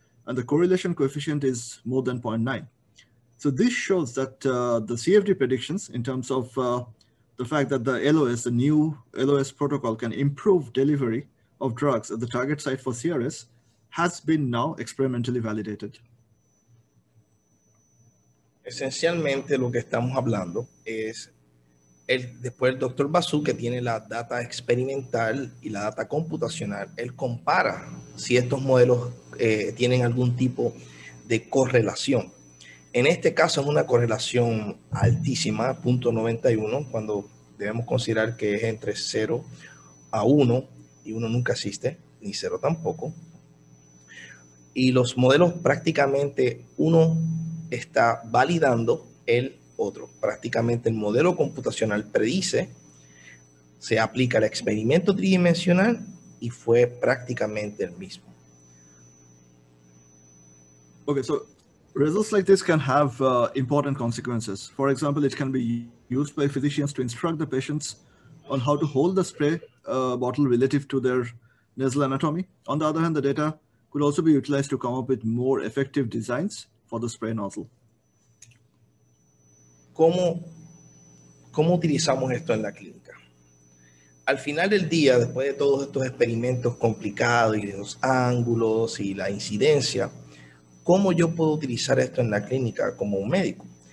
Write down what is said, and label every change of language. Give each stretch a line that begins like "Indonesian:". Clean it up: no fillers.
English: And the correlation coefficient is more than 0.9. So this shows that the CFD predictions in terms of the fact that the LOS, the new LOS protocol, can improve delivery of drugs at the target site for CRS has been now experimentally validated.
Spanish: Esencialmente, lo que estamos hablando es después el doctor Basu, que tiene la data experimental y la data computacional, él compara si estos modelos tienen algún tipo de correlación. En este caso, es una correlación altísima, 0.91, cuando debemos considerar que es entre 0 a 1 y 1 nunca existe, ni 0 tampoco. Y los modelos prácticamente uno está validando el otro. Prácticamente el modelo computacional predice, se aplica el experimento tridimensional y fue prácticamente el mismo.
English: Okay, so results like this can have important consequences. For example, it can be used by physicians to instruct the patients on how to hold the spray bottle relative to their nasal anatomy. On the other hand, the data could also be utilized to come up with more effective designs for the spray nozzle.
Spanish: ¿Cómo utilizamos esto en la clínica? Al final del día, después de todos estos experimentos complicados y los ángulos y la incidencia, ¿cómo yo puedo utilizar esto en la clínica como un médico?